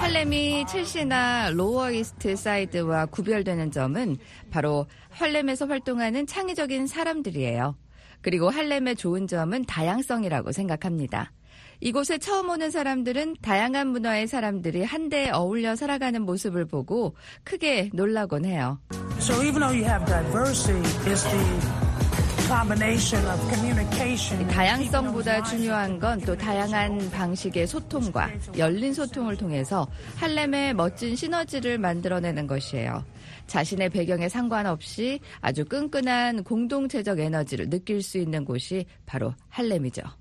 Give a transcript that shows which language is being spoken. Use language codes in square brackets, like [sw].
[ko] 할렘이 첼시나 로어 이스트 사이드와 구별되는 점은 바로 할렘에서 활동하는 창의적인 사람들이에요. 그리고 할렘의 좋은 점은 다양성이라고 생각합니다. 이곳에 처음 오는 사람들은 다양한 문화의 사람들이 한데 어울려 살아가는 모습을 보고 크게 놀라곤 해요. [en] So even though you have diversity, it's the combination of communication. [ko] 다양성보다 중요한 건 또 다양한 방식의 소통과 열린 소통을 통해서 할렘의 멋진 시너지를 만들어내는 것이에요. 자신의 배경에 상관없이 아주 끈끈한 공동체적 에너지를 느낄 수 있는 곳이 바로 할렘이죠.